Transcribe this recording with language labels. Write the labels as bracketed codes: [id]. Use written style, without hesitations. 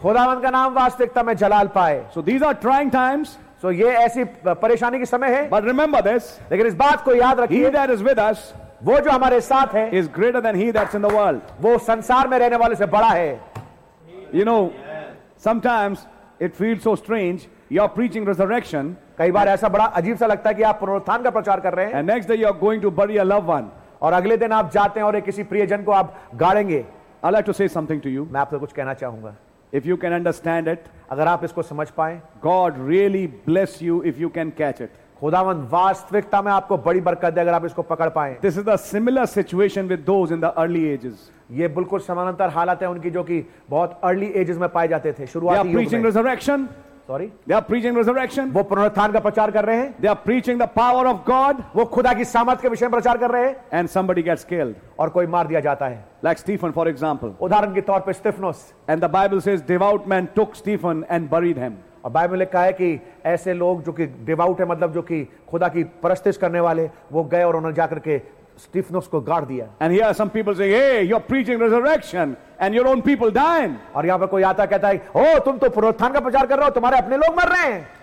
[hi] खुदावंद का नाम वास्तविकता में जलाल पाए. [en] So these are trying times. [hi] So ye aisi pareshani ki samay hai. [en] But remember this. [hi] Lekin is baat ko yaad rakhiye. [en] He that is with us. [hi] Wo jo hamare saath hai. [en] Is greater than he that's in the world. [hi] Wo sansar mein rehne wale se bada hai. [en] You know, sometimes it feels so strange. You are preaching resurrection. [hi] कई बार ऐसा बड़ा अजीब सा लगता है कि आप पुनरुत्थान का प्रचार कर रहे हैं। [en] And next day you are going to bury a loved one. [hi] और अगले दिन आप जाते हैं और एक किसी प्रियजन को आप गाड़ेंगे। [en] I'd like to say something to you. [hi] मैं आपसे कुछ कहना चाहूंगा। [en] If you can understand it, [hi] अगर आप इसको समझ पाए, [en] God really bless you if you can catch it. [hi] खुदावन वास्तविकता में आपको बड़ी बरकत दे अगर आप इसको पकड़ पाए। [en] This is a similar situation with those in the early ages. [hi] ये बिल्कुल समानांतर हालत है उनकी जो कि बहुत [en] early ages [hi] में पाए जाते थे शुरुआती युग में। [en] Preaching resurrection. Sorry? They are preaching resurrection. [hi] वो पुनरुत्थान का प्रचार कर रहे हैं। [en] They are preaching the power of God. [hi] वो खुदा की सामर्थ्य के विषय में प्रचार कर रहे हैं। [en] And somebody gets killed. [hi] और कोई मार दिया जाता है। [en] Like Stephen, for example. [hi] उदाहरण के तौर पे Stefanos. [en] And the Bible says, devout men took Stephen and buried him. [hi] और बाइबल में लिखा है कि ऐसे लोग जो कि डिवाउट है मतलब जो कि खुदा की परस्तिश करने वाले वो गए और उन्होंने जाकर के स्टीफनोस को गाड़ दिया। [en] And here some people say, hey, you're preaching resurrection. And your own people dying. [hi] और यहाँ पर कोई आता कहता है, ओ, तुम तो पुनरुत्थान का प्रचार कर रहे हो, तुम्हारे अपने लोग मर रहे हैं।